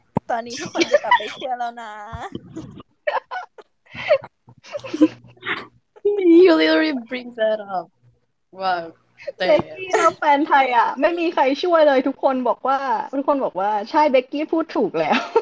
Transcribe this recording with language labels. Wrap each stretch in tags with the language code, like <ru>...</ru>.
<th>ตอนนี้ทุกคนจะกลับไปเชียร์แล้วนะ</th> <en>You literally bring that up. Wow.</en> <th>Becky เราแฟนไทยอ่ะไม่มีใครช่วยเลยทุกคนบอกว่าใช่เบกกี้พูดถูกแล้ว</th>